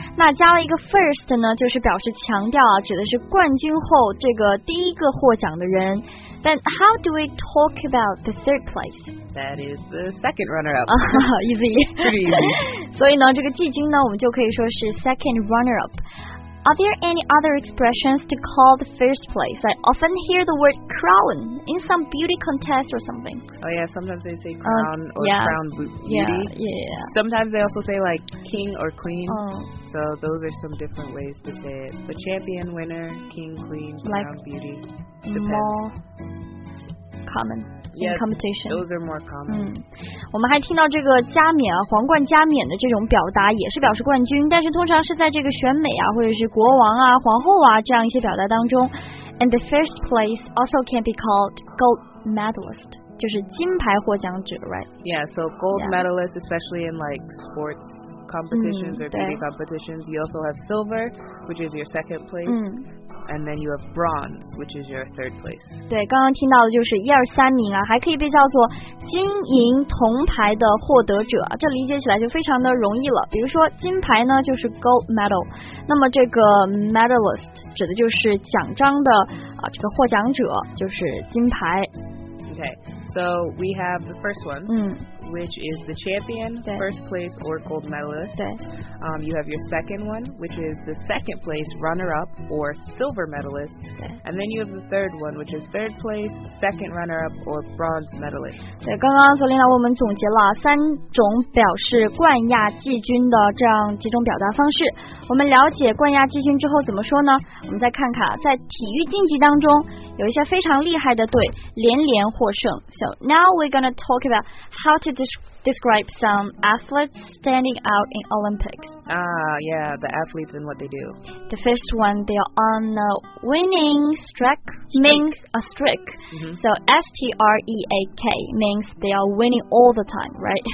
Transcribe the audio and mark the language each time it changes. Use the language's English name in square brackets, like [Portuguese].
[Chinese] 那加了一个 first 呢，就是表示强调啊，指的是冠军后这个第一个获奖的人。 [English] Then how do we talk about the third place? That is the second runner-up. easy. Pretty easy. [Chinese] 所以呢，这个季军呢，我们就可以说是 second runner-up. [English] Are there any other expressions to call the first place? I often hear the word crown in some beauty contest or something. Oh yeah, sometimes they say crown crown beauty. Yeah. Sometimes they also say like king or queen. So those are some different ways to say it. The champion, winner, king, queen, like, crown beauty. More common. Yeah, in competition. Those are more common. [Chinese] 我们还听到这个加冕啊，皇冠加冕的这种表达也是表示冠军，但是通常是在这个选美啊，或者是国王啊、皇后啊这样一些表达当中。 [English] And the first place also can be called gold medalist, [Chinese] 就是金牌获奖者 [English] right? Yeah, so gold medalist, especially in like sports competitions or beauty competitions, you also have silver, which is your second place. And then you have bronze, which is your third place. [Chinese] 对，刚刚听到的就是一二三名啊，还可以被叫做金银铜牌的获得者，这理解起来就非常的容易了。比如说金牌呢，就是 gold medal， 那么这个 medalist 指的就是奖章的啊，这个获奖者就是金牌。 [English] Okay, so we have the first one, which is the champion, first place, or gold medalist. You have your second one, which is the second place runner-up or silver medalist. And then you have the third one, which is third place, second runner-up, or bronze medalist. [Chinese] 对，刚刚索琳娜我们总结了三种表示冠亚季军的这样几种表达方式。我们了解冠亚季军之后怎么说呢？我们再看看，在体育竞技当中，有一些非常厉害的队连连获胜。 [English] So now we're going to talk about how to describe some athletes standing out in Olympics. The athletes and what they do. The first one, they are on a winning streak, means a streak. So S-T-R-E-A-K means they are winning all the time, right?